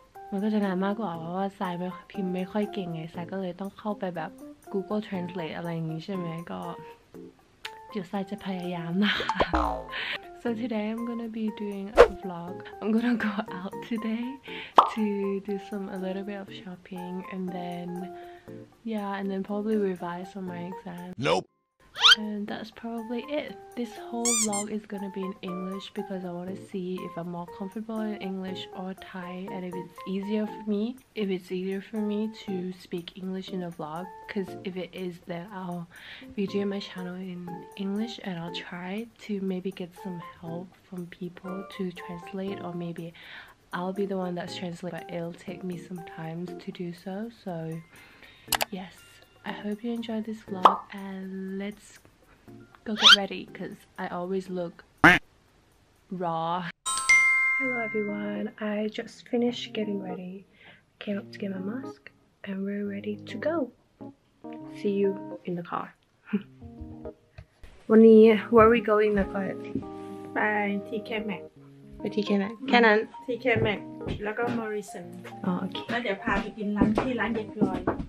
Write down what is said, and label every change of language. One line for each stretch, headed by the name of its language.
Thai: มันก็จะนานมากกว่าเพราะว่าซายไม่พิมพ์ไม่ค่อยเก่งไงซายก็เลยต้องเข้าไปแบบGoogle Translate อะไรอย่างนี้ใช่ไหมก็เดี๋ยวซายจะพยายามนะคะ
English: So today I'm gonna be doing a vlog I'm gonna go out today to do a little bit of shopping and then yeah and then probably revise on my exam Nope and that's probably it This whole vlog is gonna be in English because I wanna see if I'm more comfortable in English or Thai and if it's easier for me to speak English in a vlog because if it is then I'll be doing my channel in English and I'll try to maybe get some help from people to translate or maybe I'll be the one that's translating but it'll take me some time to do so yes I hope you enjoy this vlog and let'sGo get ready, because I always look raw. Hello everyone, I just finished getting ready. Came up to get my mask, and we're ready to go. See you in the car.
Thai: วันนี้
English: where are we going
Thai: นะก่อน ไป TK Max ไป TK Maxแค่นั้น TK Maxแล้วก็ Morrison อ๋อโอเค แล้วเดี๋ยวพาไปกินร้านที่ร้านเย็ดรอย